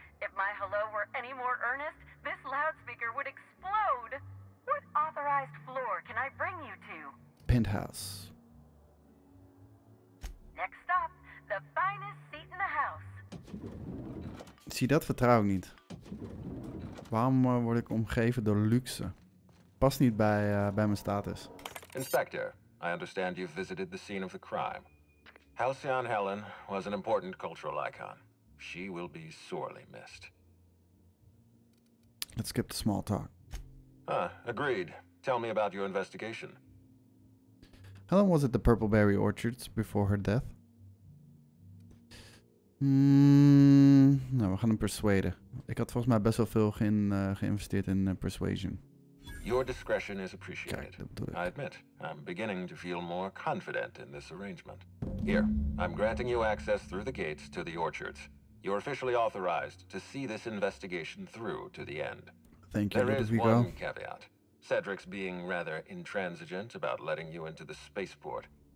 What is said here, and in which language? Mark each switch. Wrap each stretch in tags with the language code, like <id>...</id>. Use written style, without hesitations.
<en>If my hello were any more earnest, this loudspeaker would explode. What authorized floor can I bring you to? Penthouse. Next stop, the finest seat in the house.</en> <nl>Zie, dat vertrouw ik niet. Waarom word ik omgeven door luxe? Past niet bij mijn status.</nl> <en>Inspector, I understand you've visited the scene of the crime. Halcyon Helen was an important cultural icon. She will be sorely missed. Let's skip the small talk. Agreed. Tell me about your investigation. Helen was at the Purpleberry Orchards before her death.</en> <nl>Nou, we gaan hem persuaden. Ik had volgens mij best wel veel geïnvesteerd in persuasion.</nl> <en>Your discretion is appreciated. I admit, I'm beginning to feel more confident in this arrangement. Here, I'm granting you access through the gates to the orchards. You're officially authorized to see this investigation through to the end. Thank you. There is one caveat. Cedric's being rather intransigent about letting you into the spaceport.</en>